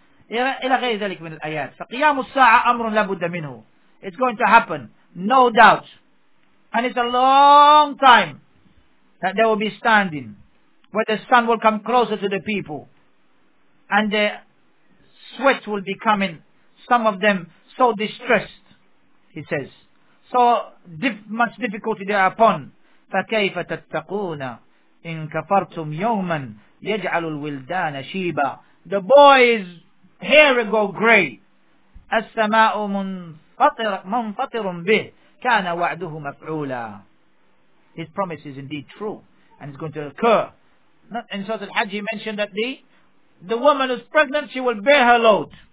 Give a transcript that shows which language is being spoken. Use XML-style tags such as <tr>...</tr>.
<ar>إلى غير ذلك من الآيات. فقيام الساعة أمر لابد منه.</ar> <en>It's going to happen, no doubt. And it's a long time that they will be standing, where the sun will come closer to the people, and the sweat will be coming, some of them so distressed, he says, so much difficulty they are upon.</en> <ar>فَكَيْفَ تَتَّقُونَ إِن كَفَرْتُمْ يَوْمًا يَجْعَلُ الْوِلْدَانَ شِيبًا.</ar> <en>The boy's hair will go grey.</en> <ar>السَّمَاءُ مُنْفَطِرٌ بِهِ كَانَ وَعْدُهُ مَفْعُولًا.</ar> <en>His promise is indeed true, and it's going to occur. In Surah Al-Hajj, he mentioned that the woman who's pregnant, she will bear her load.</en>